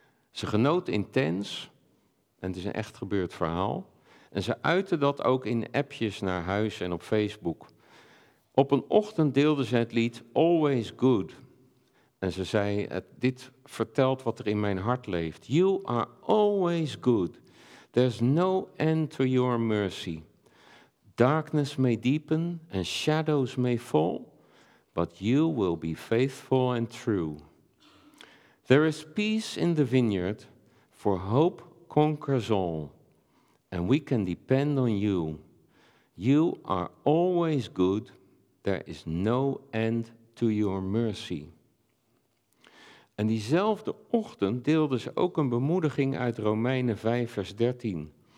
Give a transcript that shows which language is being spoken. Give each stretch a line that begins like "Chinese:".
Dutch: Ze genoot intens, en het is een echt gebeurd verhaal, en ze uitte dat ook in appjes naar huis en op Facebook. Op een ochtend deelde ze het lied Always Good. En ze zei, dit vertelt wat er in mijn hart leeft.
English: You are always good. There's no end to your mercy. Darkness may deepen and shadows may fall, but you will be faithful and true. There is peace in the vineyard, for hope conquers all, and we can depend on you. You are always good. There is no end to your mercy.
Dutch: En diezelfde ochtend deelde ze ook een bemoediging uit Romeinen 5, vers 13.